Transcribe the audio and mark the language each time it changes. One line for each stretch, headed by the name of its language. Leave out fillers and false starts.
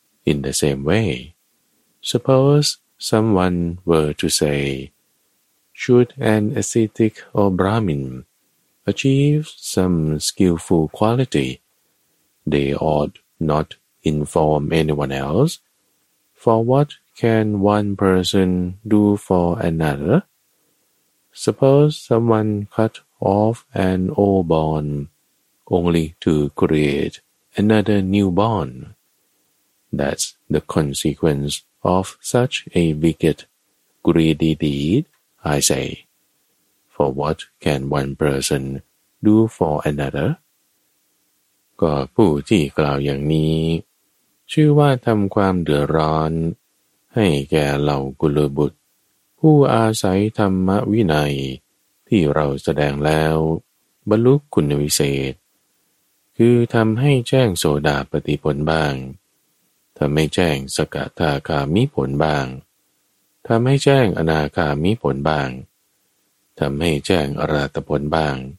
English: In the same way, suppose someone were to say, should an ascetic or Brahmin achieve some skillful quality, they ought not inform anyone else, for what can one person do for another? Suppose someone cut off an old bone only to create another new bone. That's the consequence of such a wicked, greedy deed, I say. For what can one person do for another?
Thai: ก็ผู้ที่กล่าวอย่างนี้ชื่อว่าทำความเดือดร้อนให้แก่เหล่ากุลบุตรผู้อาศัยธรรมวินัยที่เราแสดงแล้วบรรลุคุณวิเศษคือทำให้แจ้งโสดาปัตติผลบ้างทำให้แจ้งสกทาคามิผลบ้างทำให้แจ้งอนาคามิผลบ้างทำให้แจ้งอรหัตผลบ้าง